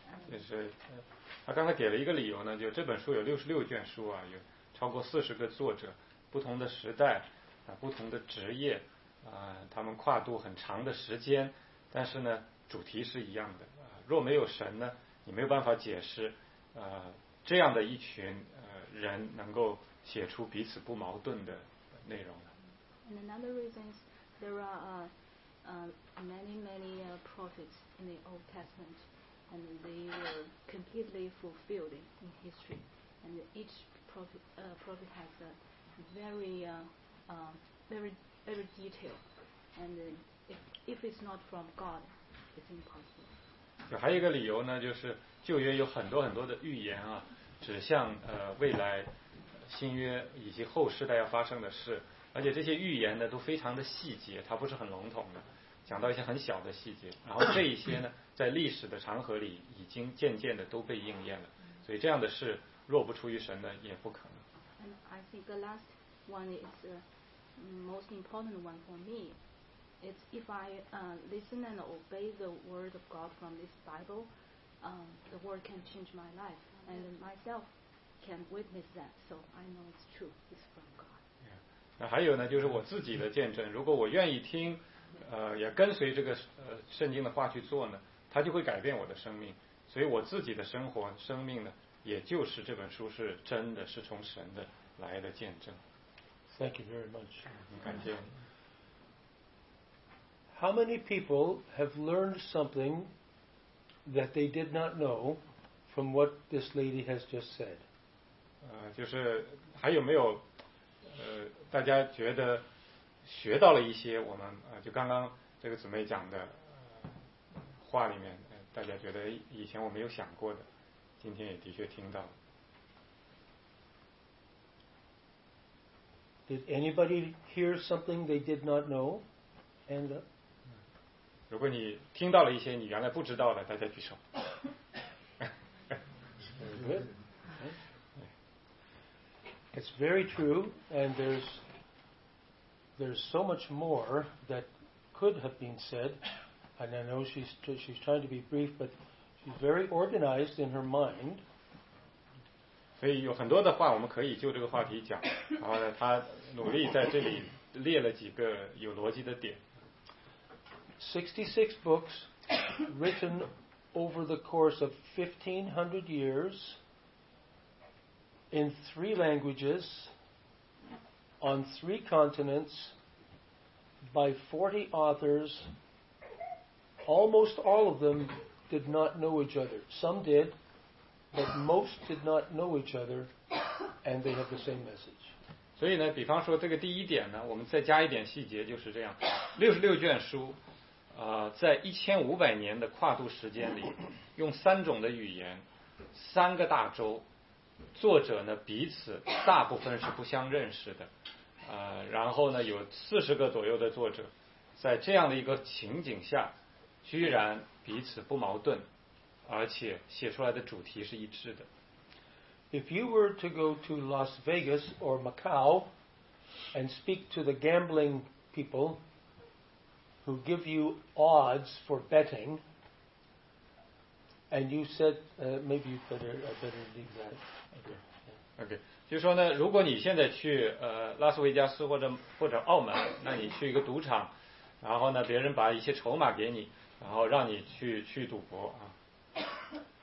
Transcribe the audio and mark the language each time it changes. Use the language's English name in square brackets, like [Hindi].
[Chinese] 就是他刚才给了一个理由呢，就这本书有66卷书啊，有超过40个作者，不同的时代啊，不同的职业啊，他们跨度很长的时间，但是呢主题是一样的啊。若没有神呢，你没有办法解释这样的一群人能够写出彼此不矛盾的内容的。 [English] And another reason is there are many prophets in the Old Testament, and they were completely fulfilled in history. And each prophet has a very detailed. And if it's not from God, it's impossible. [Chinese] 就还有一个理由呢，就是旧约有很多很多的预言啊，指向未来新约以及后世代要发生的事，而且这些预言呢都非常的细节，它不是很笼统的，讲到一些很小的细节，然后这一些呢在历史的长河里已经渐渐的都被应验了，所以这样的事若不出于神呢也不可能。 [English] And I think the last one is the most important one for me. It's if I listen and obey the word of God from this Bible, the word can change my life and myself. Can witness that, so I know it's true. It's from God. [Chinese] Yeah. 那还有呢，就是我自己的见证。如果我愿意听，也跟随这个圣经的话去做呢，它就会改变我的生命。所以我自己的生命呢，也就是这本书是真的，是从神的来的见证。 [English] Thank you very much. [Chinese] 感谢。 [English] How many people have learned something that they did not know from what this lady has just said? [Chinese] 就是还有没有大家觉得学到了一些我们就刚刚这个姊妹讲的话里面大家觉得以前我没有想过的，今天也的确听到了。 [English] Did anybody hear something they did not know? And [Chinese] 如果你听到了一些你原来不知道的，大家举手。 [English] It's very true, and there's so much more that could have been said. And I know she's trying to be brief, but she's very organized in her mind. [Chinese] 所以有很多的话我们可以就这个话题讲。然后呢，她努力在这里列了几个有逻辑的点。 [English] 66 books written over the course of 1,500 years. In three languages, on three continents, by 40 authors, almost all of them did not know each other. Some did, but most did not know each other, and they have the same message. [Chinese] 所以呢，比方说这个第一点呢，我们再加一点细节，就是这样。 66卷书，在1500年的跨度时间里，用三种的语言，三个大洲。作者呢彼此大部分是不相认识的，然后呢有40个左右的作者，在这样的一个情景下，居然彼此不矛盾，而且写出来的主题是一致的。 [English] If you were to go to Las Vegas or Macau and speak to the gambling people who give you odds for betting, and you said, maybe you better leave that. Okay. [Chinese] 就说呢，如果你现在去拉斯维加斯或者澳门，那你去一个赌场，然后呢，别人把一些筹码给你，然后让你去赌博啊。